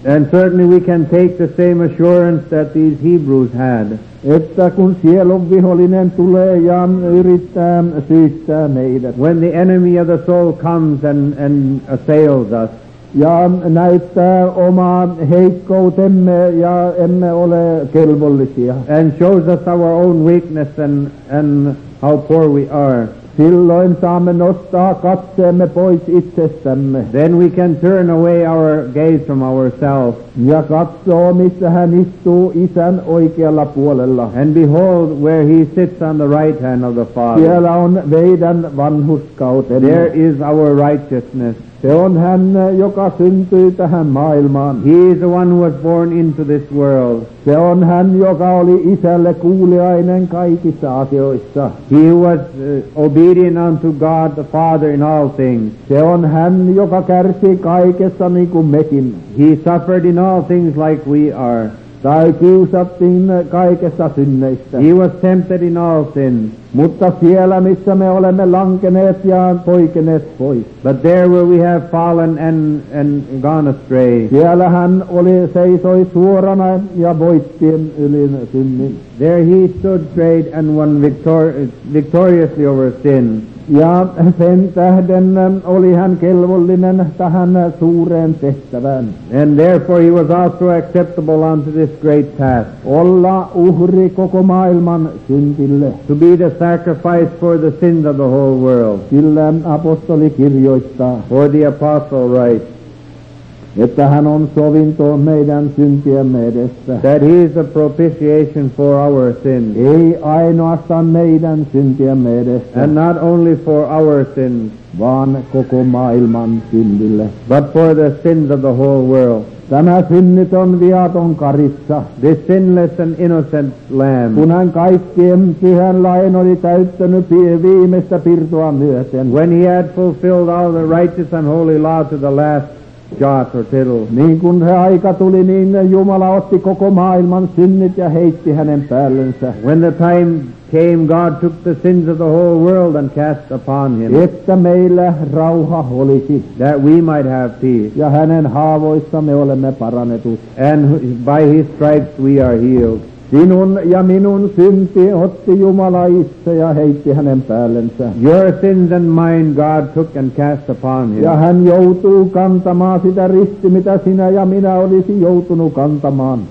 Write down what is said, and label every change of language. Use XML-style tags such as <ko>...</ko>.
<en>And certainly we can take the same assurance that these Hebrews had.</en> <fi>Että kun sielun vihollinen tulee ja yrittää syyttää meidät.</fi> <en>When the enemy of the soul comes and assails us.</en> <fi>Ja näyttää omaa heikkoutemme ja emme ole kelvollisia.</fi> <en>And shows us our own weakness and how poor we are.</en> <fi>Silloin saamme nostaa katseemme pois itsestämme.</fi> <en>Then we can turn away our gaze from ourselves.</en> <fi>Ja katsoo, missä hän istuu isän oikealla puolella.</fi> <en>And behold, where he sits on the right hand of the Father.</en> <fi>Siellä on meidän vanhurskautemme.</fi> <en>There is our righteousness.</en> <fi>Se on hän, joka syntyi tähän maailmaan.</fi> <en>He is the one who was born into this world.</en> <fi>Se on hän, joka oli isälle kuuliainen kaikissa asioissa.</fi> <en>He was obedient unto God the Father in all things.</en> <fi>Se on hän, joka kärsii kaikessa niin kuin mekin.</fi> <en>He suffered in all things like we are.</en> <fi>Tai kiusattiin kaikessa synneistä.</fi> <en>He was tempted in all sins.</en> <fi>Mutta siellä, missä me olemme lankeneet ja poikeneet pois.</fi> <en>But there where we have fallen and gone astray.</en> <fi>Siellä hän oli, seisoi suorana ja voitti ylin synnin.</fi> <en>There he stood straight and won victoriously over sin.</en> <fi>Ja sen tähden oli hän kelvollinen tähän suureen tehtävään.</fi> <en>And therefore he was also acceptable unto this great task.</en> <fi>Olla uhri koko maailman syntille.</fi> <en>To be the sacrifice for the sins of the whole world.</en> <fi>Sillä apostoli kirjoittaa.</fi> <en>For the apostle writes.</en> <fi>Että hän on sovinto meidän syntiemme edessä.</fi> <en>That he is a propitiation for our sins.</en> <fi>Ei ainoastaan meidän syntiemme edessä.</fi> <en>And not only for our sins.</en> <fi>Vaan koko maailman synnille.</fi> <en>But for the sins of the whole world.</en> <fi>Tämä synnytön viaton karissa.</fi> <en>This sinless and innocent lamb.</en> <fi>Kun hän kaikkien pyhän lain oli täyttänyt viimeistä pirtoa myöten.</fi> <en>When he had fulfilled all the righteous and holy law to the last. Jot or tittle.</en> <fi>Niin kun se aika tuli, niin Jumala otti koko maailman synnit ja heitti hänen päällensä.</fi> <en>When the time came, God took the sins of the whole world and cast upon him.</en> <fi>Että meillä rauha olisi.</fi> <en>That we might have peace.</en> <fi>Ja hänen haavoissa me olemme parannetut.</fi> <en>And by his stripes we are healed.</en> <fi>Sinun ja minun synti otti Jumala itse ja heitti hänen päällensä.</fi> <en>Your sins and mine God took and cast upon him.</en> <fi>Ja hän joutuu kantamaan sitä risti, mitä sinä ja minä olisi joutunut kantamaan.</fi>